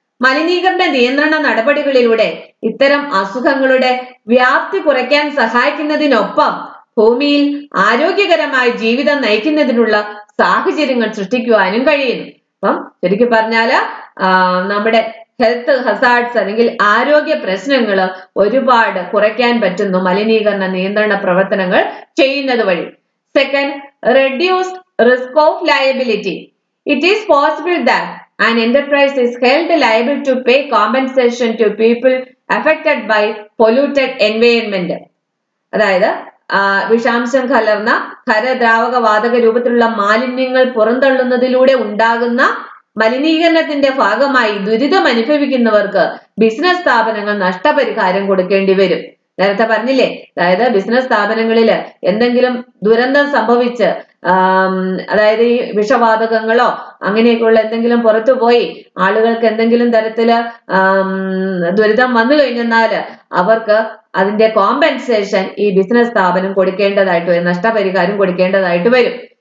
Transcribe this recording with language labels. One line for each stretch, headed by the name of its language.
Malayalam: മലിനീകരണ നിയന്ത്രണ നടപടികളിലൂടെ ഇത്തരം അസുഖങ്ങളുടെ വ്യാപ്തി കുറയ്ക്കാൻ സഹായിക്കുന്നതിനൊപ്പം ഭൂമിയിൽ ആരോഗ്യകരമായ ജീവിതം നയിക്കുന്നതിനുള്ള സാഹചര്യങ്ങൾ സൃഷ്ടിക്കുവാനും കഴിയുന്നു. അപ്പം ശരിക്കും പറഞ്ഞാല് നമ്മുടെ ഹെൽത്ത് ഹസാർഡ്സ് അല്ലെങ്കിൽ ആരോഗ്യ പ്രശ്നങ്ങൾ ഒരുപാട് കുറയ്ക്കാൻ പറ്റുന്നു മലിനീകരണ നിയന്ത്രണ പ്രവർത്തനങ്ങൾ ചെയ്യുന്നത് വഴി.
English: Second, reduced risk of liability. It is possible that an enterprise is held liable to pay compensation to people affected by polluted environment.
Malayalam: അതായത് വിഷാംശം കലർന്ന ഖരദ്രാവക വാതക രൂപത്തിലുള്ള മാലിന്യങ്ങൾ പുറന്തള്ളുന്നതിലൂടെ ഉണ്ടാകുന്ന മലിനീകരണത്തിന്റെ ഭാഗമായി ദുരിതം അനുഭവിക്കുന്നവർക്ക് ബിസിനസ് സ്ഥാപനങ്ങൾ നഷ്ടപരിഹാരം കൊടുക്കേണ്ടി വരും. നേരത്തെ പറഞ്ഞില്ലേ, അതായത് ബിസിനസ് സ്ഥാപനങ്ങളിൽ എന്തെങ്കിലും ദുരന്തം സംഭവിച്ച് അതായത് ഈ വിഷവാതകങ്ങളോ അങ്ങനെയൊക്കെയുള്ള എന്തെങ്കിലും പുറത്തു പോയി ആളുകൾക്ക് എന്തെങ്കിലും തരത്തില് ദുരിതം വന്നു കഴിഞ്ഞെന്നാൽ അവർക്ക് അതിന്റെ കോമ്പൻസേഷൻ ഈ ബിസിനസ് സ്ഥാപനം കൊടുക്കേണ്ടതായിട്ട് വരും, നഷ്ടപരിഹാരം കൊടുക്കേണ്ടതായിട്ട് വരും.